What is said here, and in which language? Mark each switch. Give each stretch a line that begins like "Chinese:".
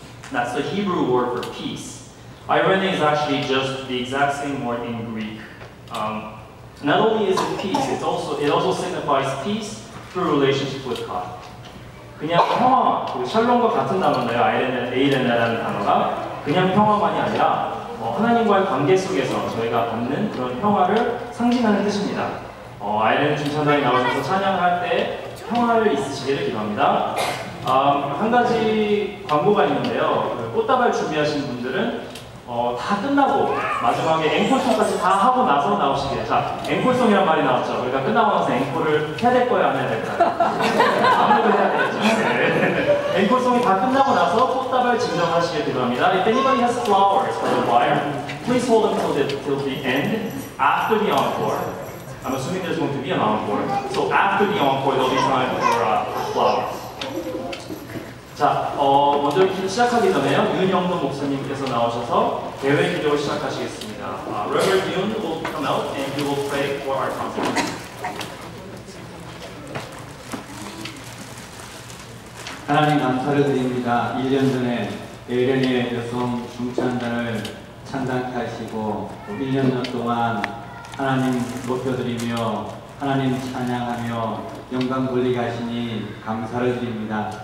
English: That's the Hebrew word for peace. Irene is actually just the exact same word in Greek. Not only is it peace, it also signifies peace through relationship with God.
Korean: 그냥 평화, 샬롬과 같은 단어인데요, 에이레네라는 단어가. 그냥 평화만이 아니라 하나님과의 관계 속에서 저희가 받는 그런 평화를 상징하는 뜻입니다. 아이렌 중찬단이 나오셔서 찬양할 때 평화를 있으시기를 기도합니다. 한 가지 광고가 있는데요. 꽃다발 준비하신 분들은 다 끝나고 마지막에 앵콜송까지 다 하고 나서 나오시길. 자, 앵콜송이란 말이 나왔죠. 우리가 끝나고 나서 앵콜을 해야 될 거예요, 안 해야 될 거예요? 아무래도 해야 되겠죠. 네. 앵콜송이 다 끝나고 나서 꽃다발 진정하시길 기도합니다.
English: If anybody has flowers on the wire, please hold them till the end after the encore. I'm assuming there's going to be an encore. So after the encore, there'll be time for flowers.
Korean: 자, 먼저 시작하기 전에요. 윤영도 목사님께서 나오셔서 대회 기도를 시작하시겠습니다.
English: Reverend Yun will come out and he will pray for our conference.
Korean: 하나님 감사를 드립니다. 1년 전에 에이레니의 여성 중찬단을 창단케 하시고 1년 동안 하나님 높여드리며 하나님 찬양하며 영광 돌리게 하시니 감사를 드립니다.